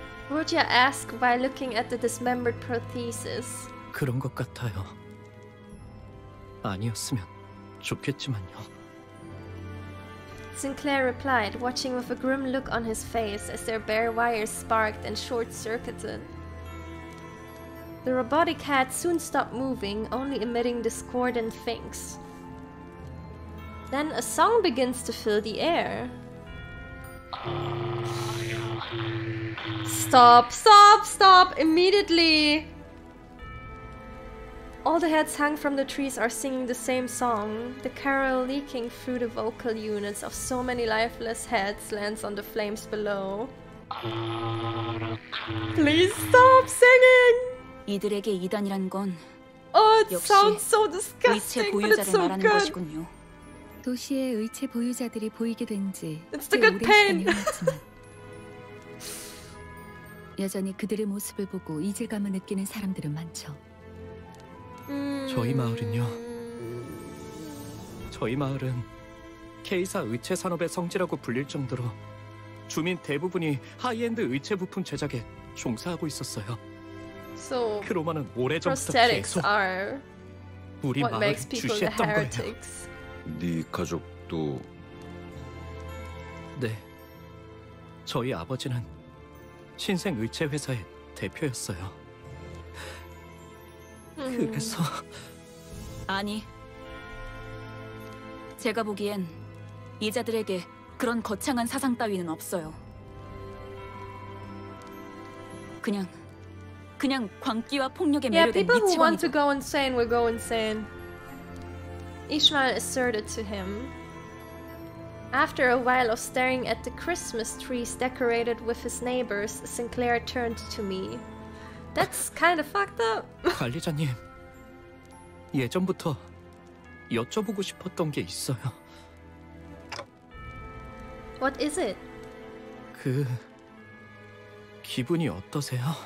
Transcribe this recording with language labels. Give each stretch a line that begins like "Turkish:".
English: Roja asked by looking at the dismembered prosthesis.
Korean: 그런 것 같아요. 아니었으면 좋겠지만요.
English: Sinclair replied, watching with a grim look on his face as their bare wires sparked and short-circuited. The robotic head soon stopped moving, only emitting discordant thinks. Then a song begins to fill the air. Stop, stop, stop, immediately! All the heads hung from the trees are singing the same song. The carol leaking through the vocal units of so many lifeless heads lands on the flames below. Please stop singing! Oh, it sounds so disgusting, but it's so good. It's the good pain.
Korean: 여전히 그들의 모습을 보고 이질감을 느끼는 사람들은 많죠. 저희 마을은요. 저희 마을은 K사 의체 산업의 성지라고 불릴 정도로 주민 대부분이 하이엔드 의체 부품 제작에 종사하고 있었어요.
English: So,
Korean: 크로마는 오래전부터 계속 우리 마을을 주시했던 거예요. 네 가족도... 네. 저희 아버지는 신생 의체 회사의 대표였어요. 그래서 아니 제가 보기엔 이 자들에게 그런 거창한 사상 따위는 없어요. 그냥 광기와 폭력에 매료된 미치광이다.
English: Yeah, people who want to go insane will go insane. Ishmael asserted to him. After a while of staring at the Christmas trees decorated with his neighbors, Sinclair turned to me. That's kind of fucked up.
Korean: 관리자님, 예전부터 여쭤보고 싶었던 게 있어요.
English: What is it?
Korean: 그 기분이 어떠세요?